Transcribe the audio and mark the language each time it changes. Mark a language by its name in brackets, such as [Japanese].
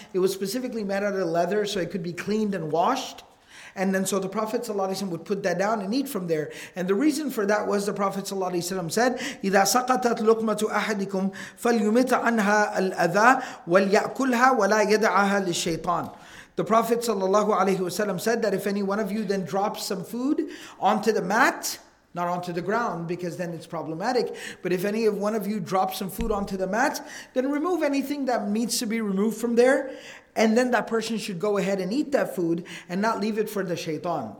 [English] It was specifically made out of leather so it could be cleaned and washed. And then so the Prophet ﷺ would put that down and eat from there. And the reason for that was the Prophet ﷺ said, [Arabic] إِذَا سَقَطَتْ لُقْمَةُ أَحَدِكُمْ فَلْيُمِتْ عَنْهَا الْأَذَى وَلْيَأْكُلْهَا وَلَا يَدْعَهَا لِلشَّيْطَانِ. [English] The Prophet ﷺ said that if any one of you then drops some food onto the mat, not onto the ground because then it's problematic, but if any of one of you drops some food onto the mat, then remove anything that needs to be removed from there. And then that person should go ahead and eat that food and not leave it for the shaitan.